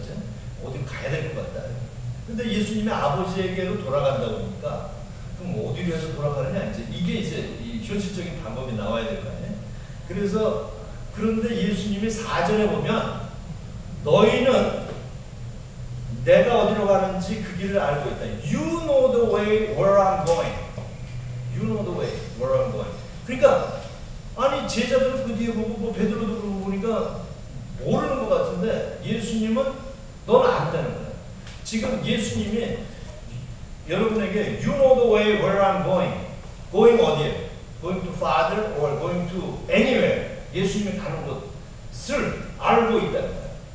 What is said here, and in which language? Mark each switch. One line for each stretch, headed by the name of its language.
Korean: 이제 어디 가야 될 것 같다. 근데 예수님이 아버지에게로 돌아간다고 하니까 그럼 어디로 해서 돌아가느냐 이제 이게 이제 이 현실적인 방법이 나와야 될 거 아니에요. 그래서 그런데 예수님이 4절에 보면 너희는 내가 어디로 가는지 그 길을 알고 있다.
English: You know the way where I'm going. You know the way where I'm going.
Korean: 그러니까 아니 제자들은 그 뒤에 보고 뭐 베드로도 그러고 보니까 모르는 것 같은데 예수님은 넌 안다는 거야. 지금 예수님이 여러분에게
English: You know the way where I'm going. Going
Korean: 어디에?
English: Going to Father or going to anywhere.
Korean: 예수님이 가는 곳을 알고 있다는 거예요.